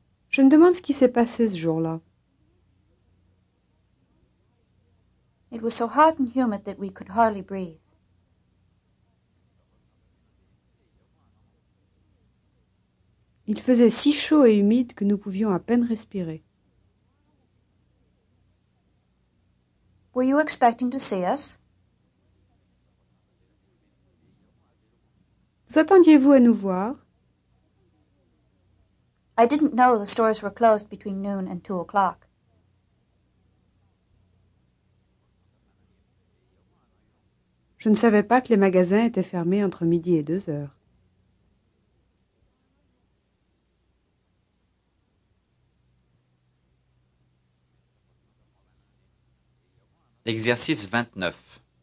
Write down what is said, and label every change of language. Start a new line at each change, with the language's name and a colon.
French: Je me demande ce qui s'est passé ce jour-là.
English: It was so hot and humid that we could hardly breathe.
French: Il faisait si chaud et humide que nous pouvions à peine respirer.
English: Were you expecting to see us?
French: Vous attendiez-vous à nous voir?
English: I didn't know the stores were closed between noon and 2 o'clock.
French: Je ne savais pas que les magasins étaient fermés entre midi et 2 heures. Exercice 29.